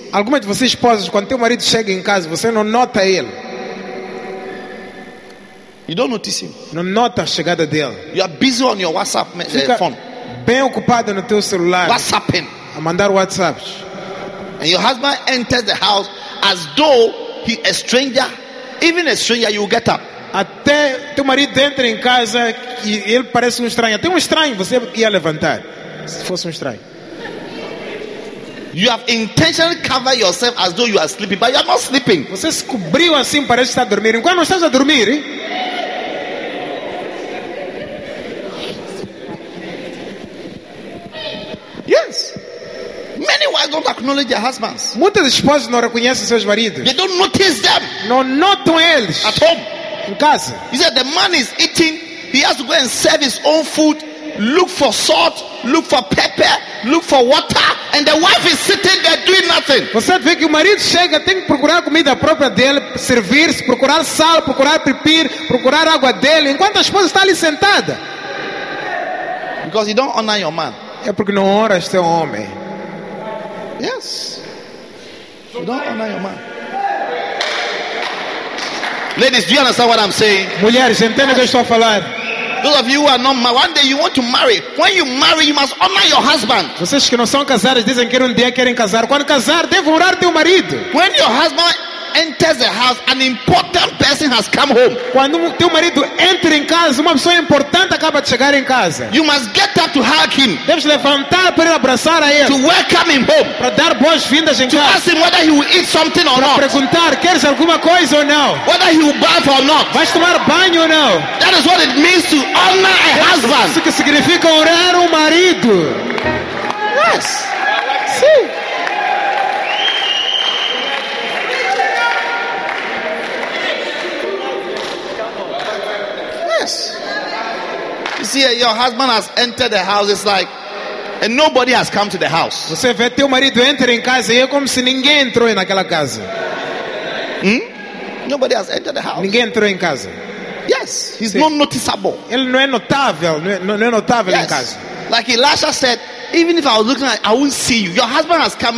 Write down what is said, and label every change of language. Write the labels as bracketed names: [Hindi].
[Portuguese] Algumas de vocês esposas, quando teu marido chega em casa, você não nota ele. [English] You don't notice him. [Portuguese] Não nota a chegada dele. [English] You are busy on your WhatsApp phone. [Portuguese] bem ocupada no teu celular, [English] WhatsApping, [Portuguese] a mandar WhatsApp. [English] And your husband enters the house as though he a stranger, even a stranger, you get up. [Portuguese] Até teu marido entra em casa e ele parece um estranho. Até um estranho você ia levantar se fosse um estranho. [English] You have intentionally covered yourself as though you are sleeping, but you are not sleeping. [Portuguese] Você se cobriu assim, parece estar a dormir. Enquanto não estás a dormir, hein? [English] Yes. Many wives don't acknowledge their husbands. [Portuguese] Muitas esposas não reconhecem seus maridos. [English] They don't notice them. [Portuguese] Não notam eles. [English] At home. [Portuguese] Em casa. [English] He said the man is eating, he has to go and serve his own food, look for salt, look for pepper, look for water, and the wife is sitting there doing nothing. [Portuguese] Você vê que o marido chega, tem que procurar a comida própria dele, servir-se, procurar sal, procurar pepper, procurar água dele, enquanto a esposa está ali sentada. [English] Because you don't honor your man. [Portuguese] É porque não honras teu homem. [English] Yes. You don't honor your man. Ladies, do you understand what I'm saying? [Portuguese] Mulheres, entendem o que eu estou a falar? [English] Those of you who are not married, one day you want to marry. When you marry, you must honor your husband. [Portuguese] Vocês que não são casadas dizem que um dia querem casar. Quando casar, devem honrar teu marido. [English] When your husband enters the house, an important person has come home. [Portuguese] Quando teu marido entra em casa, uma pessoa importante acaba de chegar em casa. [English] You must get up to hug him. [Portuguese] Deves levantar para ele abraçar a ele. [English] To welcome him home. [Portuguese] Para dar boas-vindas em [English] to [Portuguese] casa. [English] To ask him whether he will eat something or [Portuguese] para [English] not. [Portuguese] Perguntar, queres alguma coisa ou não? [English] Whether he will bath or not. [Portuguese] Vais tomar banho ou não? [English] That is what it means to honor a husband. [Portuguese] Isso que significa honrar um marido. [English] Yes. [Portuguese] Sim. [English] See, your husband has entered the house. It's like, and nobody has come to the house. [Portuguese] Você vê teu marido entra em casa e é como se ninguém entrou naquela casa. [English] Hmm? Nobody has entered the house. [Portuguese] Ninguém entrou em casa. [English] Yes, he's not noticeable. [Portuguese] Ele não é notável, não é notável em casa. [English] Like Elisha said, even if I was looking at, I wouldn't see you. Your husband has come.